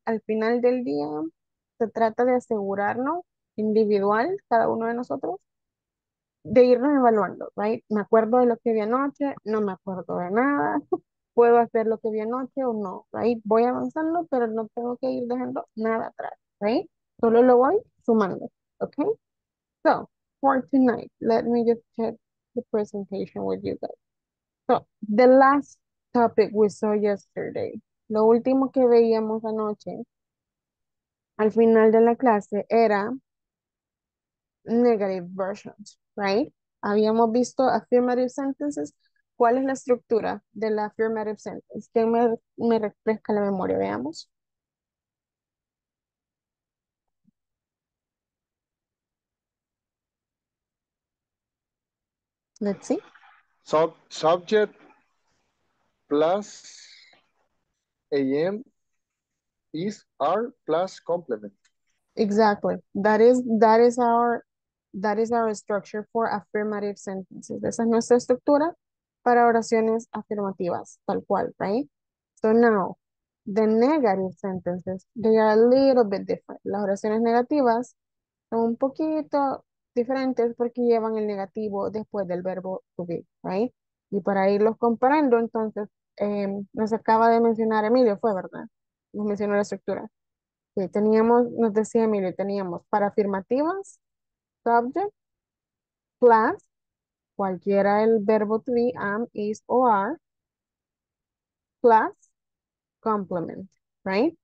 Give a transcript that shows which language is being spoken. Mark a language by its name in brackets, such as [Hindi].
[Spanish] Al final del día, se trata de asegurarnos individual, cada uno de nosotros, de irnos evaluando, right? Me acuerdo de lo que vi anoche, no me acuerdo de nada. Puedo hacer lo que vi anoche o no, right? Voy avanzando, pero no tengo que ir dejando nada atrás, right? Solo lo voy sumando, okay? [English] So, for tonight, let me just check the presentation with you guys. So, the last topic we saw yesterday, [Spanish] lo último que veíamos anoche, al final de la clase, era negative versions, right? Habíamos visto affirmative sentences. ¿Cuál es la estructura de la affirmative sentence? Que me refresca la memoria, veamos. [English] Let's see. Subject plus am is are plus complement. Exactly. That is our structure for affirmative sentences. [Spanish] Esa es nuestra estructura para oraciones afirmativas, tal cual, right? [English] So now, the negative sentences, they are a little bit different. [Spanish] Las oraciones negativas son un poquito diferentes porque llevan el negativo después del verbo to be, right? Y para irlos comparando, entonces, nos acaba de mencionar Emilio, fue, ¿verdad? Nos mencionó la estructura. Sí, teníamos, nos decía Emilio, teníamos para afirmativas, subject, plus, cualquiera el verbo to be, am, is, o are, plus, complement, right?